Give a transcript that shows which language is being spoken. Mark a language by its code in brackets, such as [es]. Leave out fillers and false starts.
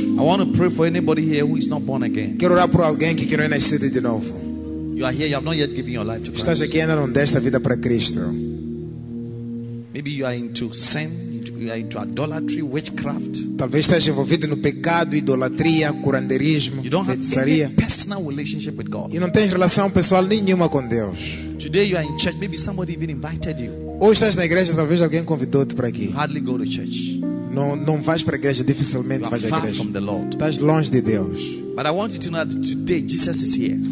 [en] I want to pray for anybody here who is not born again. [pt] Quero orar por alguém que não é nascido de novo. [en] You are here, you have not yet given your life to Christ. [pt] Estás aqui, ainda não deste a vida para Cristo. [en] Maybe you are into sin, you are into idolatry, witchcraft. [pt] Talvez estás envolvido no pecado, idolatria, curanderismo, [en] you don't [pt] feitiçaria. [en] Have any personal relationship with God. [pt] E não tens relação pessoal nenhuma com Deus. [en] Today you are in church, maybe somebody even invited you. [pt] Hoje estás na igreja, talvez alguém convidou-te para aqui. [en] You hardly go to church. [pt] Não vais para a igreja, dificilmente vais à igreja. [en] You are far from the Lord. [pt] Estás longe de Deus. [en] But I want you to know that today Jesus is here.